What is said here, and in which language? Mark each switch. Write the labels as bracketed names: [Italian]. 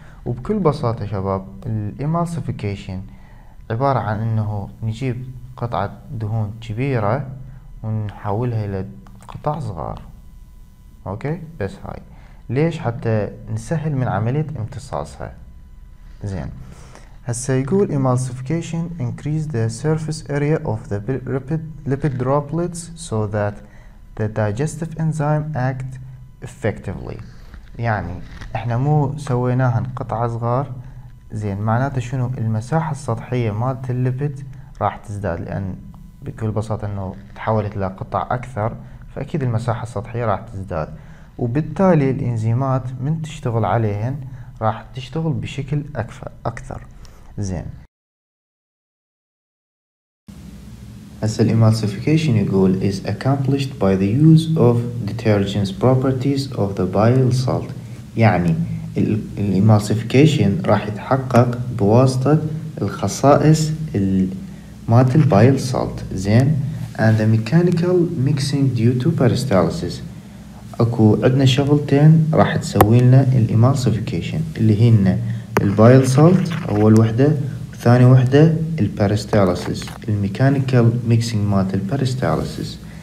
[Arabic] وبكل بساطة شباب، الامالسيفيكيشن عبارة عن انه نجيب قطعة دهون كبيرة ونحولها الى قطع صغار. اوكي، بس هاي ليش؟ حتى نسهل من عملية امتصاصها. زين، هسه يقول [English] emulsification increase the surface area of the lipid droplets so that the digestive enzyme act effectively. [Arabic] يعني احنا مو سويناها قطعة صغار، زين، معناته شنو؟ المساحة السطحية مالت الليبيد راح تزداد، لان بكل بساطة انه تحولت الى قطع اكثر، فاكيد المساحة السطحية راح تزداد، وبالتالي الانزيمات من تشتغل عليهن راح تشتغل بشكل اكثر. زين، [English] As the emulsification goal is accomplished by the use of detergents properties of the bile salt. [Arabic] يعني ال emulsification راح يتحقق بواسطة الخصائص مالت ال bile salt. زين، [English] And the mechanical mixing due to peristalsis. [Arabic] اكو عندنا شغلتين راح تسوي لنا ال emulsification، اللي هن ال bile salt اول وحدة، ثاني وحدة البريستالسيس، الميكانيكال ميكسينج مات البريستالسيس.